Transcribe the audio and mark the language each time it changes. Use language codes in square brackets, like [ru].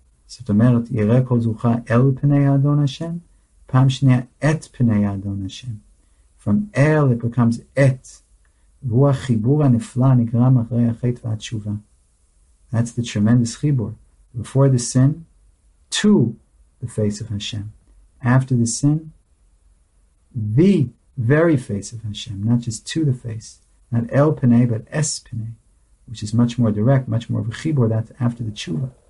[he] זאת אומרת, יראה כל זוכה אל פני האדון השם, פעם שנייה את פני האדון השם. [en] From אל, it becomes את. [he] והוא החיבור הנפלא נגרם אחרי החטא והתשובה. [en] That's the tremendous חיבור. Before the sin, to the face of Hashem. After the sin, the very face of Hashem, not just to the face. Not אל פני, but אס פני, which is much more direct, much more of a חיבור, that's after the תשובה.